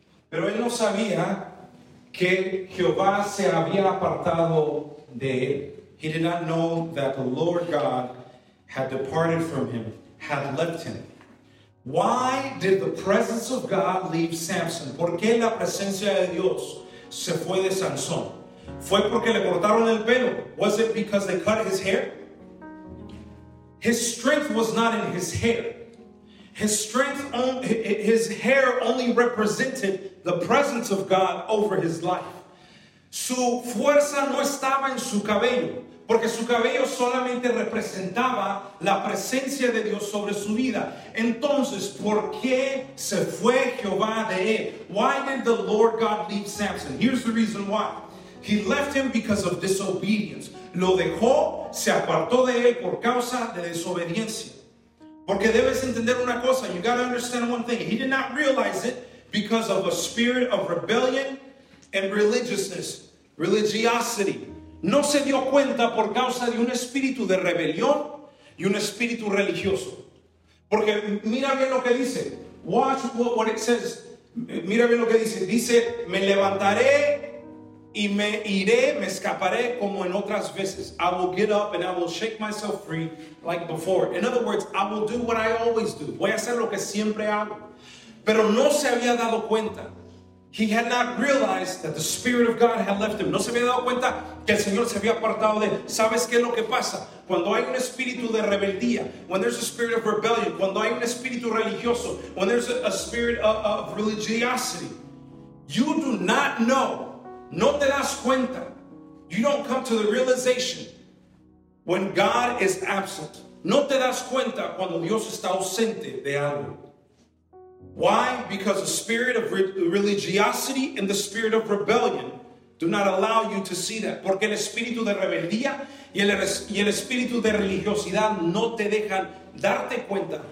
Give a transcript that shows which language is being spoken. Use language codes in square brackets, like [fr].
[es] Pero él no sabía que Jehová se había apartado de él. [en] He did not know that the Lord God had departed from him, had left him. Why did the presence of God leave Samson? [es] ¿Por qué la presencia de Dios se fue de Sansón? ¿Fue porque le cortaron el pelo? [en] Was it because they cut his hair? His strength was not in his hair. His hair only represented the presence of God over his life. [es] Su fuerza no estaba en su cabello. Porque su cabello solamente representaba la presencia de Dios sobre su vida. Entonces, ¿por qué se fue Jehová de él? [en] Why did the Lord God leave Samson? Here's the reason why. He left him because of disobedience. [es] Lo dejó, se apartó de él por causa de desobediencia. Porque debes entender una cosa. [en] You got to understand one thing. He did not realize it because of a spirit of rebellion and religiousness. Religiosity. [es] No se dio cuenta por causa de un espíritu de rebelión y un espíritu religioso. Porque mira bien lo que dice. [en] Watch what it says. [es] Mira bien lo que dice. Dice, me levantaré y me iré, me escaparé como en otras veces. [en] I will get up and I will shake myself free like before. In other words, I will do what I always do. [es] Voy a hacer lo que siempre hago. Pero no se había dado cuenta. [en] He had not realized that the Spirit of God had left him. [es] No se había dado cuenta que el Señor se había apartado de él. ¿Sabes qué es lo que pasa? Cuando hay un espíritu de rebeldía, [en] when there's a spirit of rebellion, [es] cuando hay un espíritu religioso, [en] when there's a spirit of religiosity, you do not know. [es] No te das cuenta. [en] You don't come to the realization when God is absent. [es] No te das cuenta cuando Dios está ausente de algo. [en] Why? Because the spirit of religiosity and the spirit of rebellion do not allow you to see that. [es] Porque el espíritu de rebeldía y el espíritu de religiosidad no te dejan darte cuenta.